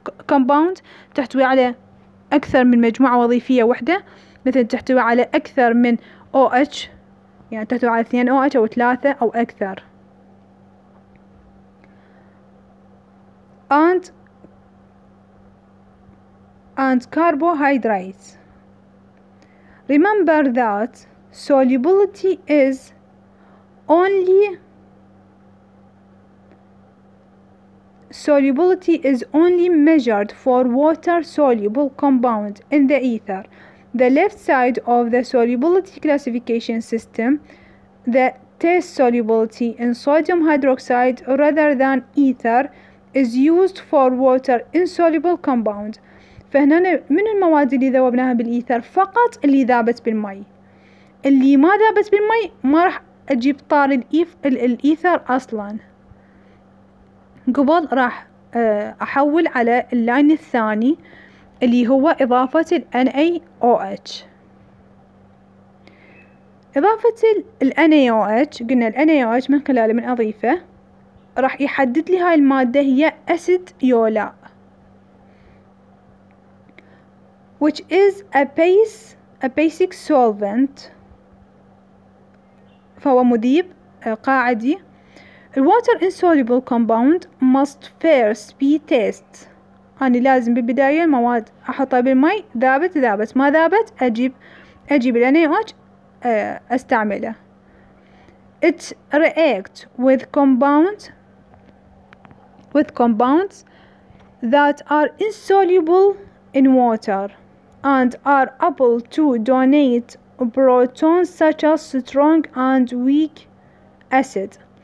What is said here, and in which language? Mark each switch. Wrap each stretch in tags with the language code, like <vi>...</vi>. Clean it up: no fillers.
<ar>compound، تحتوي على أكثر من مجموعة وظيفية واحدة، مثل تحتوي على أكثر من OH، يعني تحتوي على 2 OH أو 3 أو أكثر،</ar> <en>and carbohydrates. Remember that solubility is only measured for water soluble compound in the ether. The left side of the solubility classification system, the test solubility in sodium hydroxide rather than ether is used for water insoluble compound.</en> <ar>فهنا من المواد اللي ذوبناها بالإيثر فقط اللي ذابت بالماء، اللي ما ذابت بالماء ما رح أجيب طار الإيثر أصلا، قبل راح أحول على اللاين الثاني اللي هو إضافة الـ NaOH. إضافة الـ NaOH، قلنا الـ NaOH من خلاله من أضيفة راح يحدد لي هاي المادة هي أسيد يولا،</ar> <en>which is a basic solvent.</en> <ar>فهو مذيب قاعدي.</ar> <en>The water insoluble compound must first be tested.</en> <ar>أنا لازم بالبداية المواد أحطها بالماء، ذابت ما ذابت أجيب الـ NaOH أستعمله.</ar> <en>It reacts with compounds that are insoluble in water and are able to donate protons such as strong and weak acid.</en>